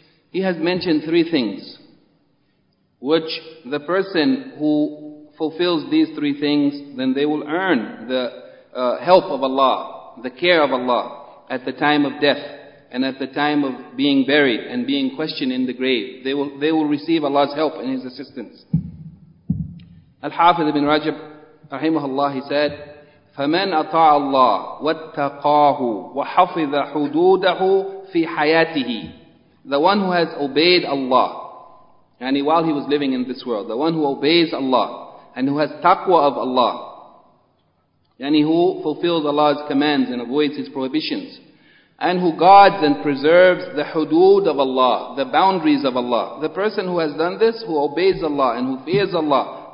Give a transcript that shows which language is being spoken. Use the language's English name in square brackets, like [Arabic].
[English] He has mentioned three things, which the person who fulfills these three things, then they will earn the help of Allah, the care of Allah, at the time of death. And at the time of being buried and being questioned in the grave, they will receive Allah's help and His assistance. Al-Hafiz ibn Rajab, rahimahullah, he said, [Arabic] فَمَنْ أَطَاعَ اللَّهُ وَاتَّقَاهُ وَحَفِظَ حُدُودَهُ فِي حَيَاتِهِ. [English] The one who has obeyed Allah, and while he was living in this world, the one who obeys Allah, and who has taqwa of Allah, and who fulfills Allah's commands and avoids His prohibitions, and who guards and preserves the hudud of Allah, the boundaries of Allah. The person who has done this, who obeys Allah and who fears Allah